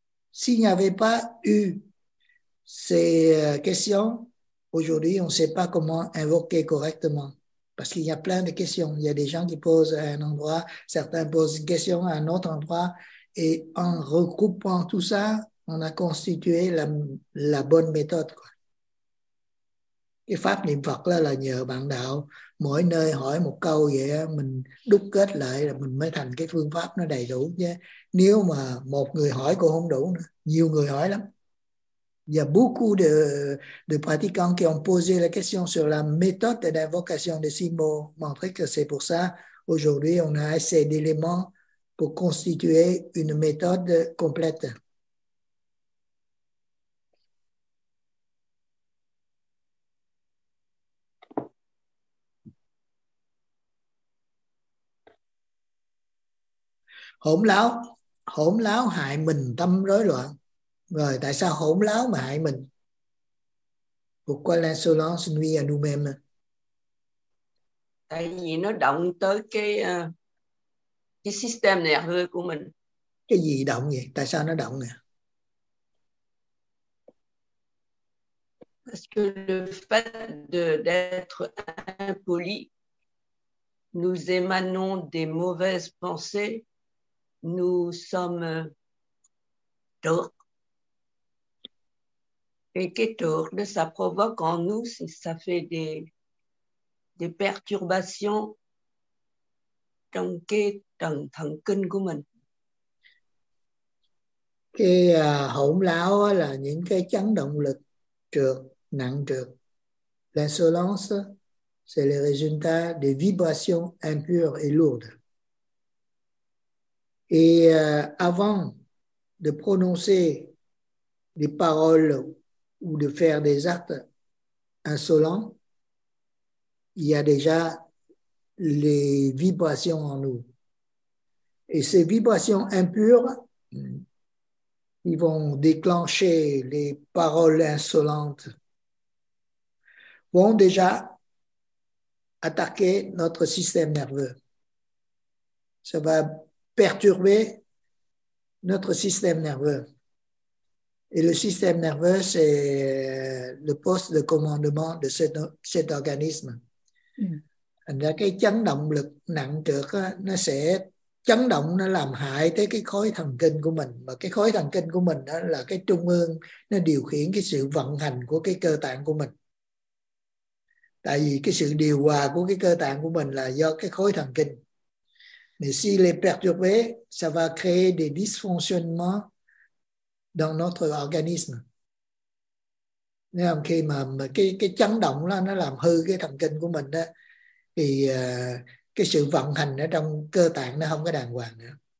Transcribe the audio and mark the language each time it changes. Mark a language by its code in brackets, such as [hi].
[fr] S'il n'y avait pas eu ces questions, aujourd'hui, on ne sait pas comment invoquer correctement. Parce qu'il y a plein de questions. Il y a des gens qui posent à un endroit, certains posent une question à un autre endroit. Et en regroupant tout ça, on a constitué la bonne méthode. [vi] Cái pháp niệm Phật là nhờ bạn đạo mỗi nơi hỏi một câu vậy mình đúc kết lại là mình mới thành cái phương pháp nó đầy đủ chứ. Nếu mà một người hỏi cũng không đủ nữa. Nhiều người hỏi lắm. [fr] Il y a beaucoup de pratiquants qui ont posé la question sur la méthode d'invocation des symboles, montrer que c'est pour ça aujourd'hui on a assez d'éléments pour constituer une méthode complète. [vi] Hỗn láo hại mình tâm rối loạn. Rồi tại sao hỗn láo mà hại mình? [fr] Pourquoi l'insolence nuit à nous-mêmes? [vi] Tại vì nó động tới cái [fr] système nerveux [vi] của mình. Cái gì động vậy? Tại sao nó động vậy? [fr] Parce que le fait d'être impoli, nous émanons des mauvaises pensées. Nous sommes tort. Et que tort, ça provoque en nous, ça fait des perturbations dans le [vi] thần kinh của mình. Cái hỗn láo là những cái chấn động lực trược, nặng trược. [fr] L'insolence, c'est le résultat des vibrations impures et lourdes. Et avant de prononcer des paroles ou de faire des actes insolents, il y a déjà les vibrations en nous. Et ces vibrations impures, ils vont déclencher les paroles insolentes, vont déjà attaquer notre système nerveux. Ça va perturber notre système nerveux. Et le système nerveux, c'est le poste de commandement de cet organisme. [vi] Thành ra cái chấn động lực nặng trược nó sẽ chấn động, nó làm hại tới cái khối thần kinh của mình. Mà cái khối thần kinh của mình đó là cái trung ương, nó điều khiển cái sự vận hành của cái cơ tạng của mình. Tại vì cái sự điều hòa của cái cơ tạng của mình là do cái khối thần kinh. [fr] Mais s'il est perturbé, ça va créer des dysfonctionnements dans notre organisme. [vi] Nên là khi mà cái chấn động đó, nó làm hư cái thần kinh của mình đó, thì cái sự vận hành ở trong cơ tạng nó không có đàng hoàng nữa.